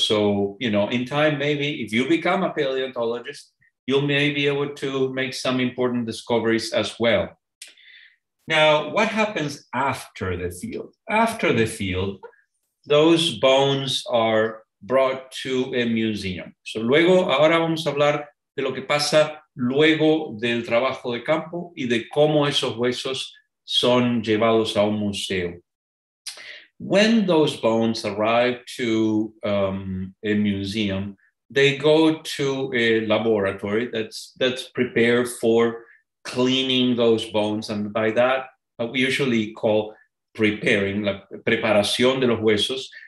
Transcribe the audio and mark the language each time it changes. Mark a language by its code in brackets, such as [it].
[en] So, you know, in time, maybe if you become a paleontologist, you may be able to make some important discoveries as well. Now, what happens after the field? After the field, those bones are brought to a museum. [es] So luego, ahora vamos a hablar de lo que pasa luego del trabajo de campo y de cómo esos huesos son llevados a un museo. [en] When those bones arrive to a museum, they go to a laboratory that's prepared for cleaning those bones. And by that, we usually call preparing, [es] la preparación de los huesos.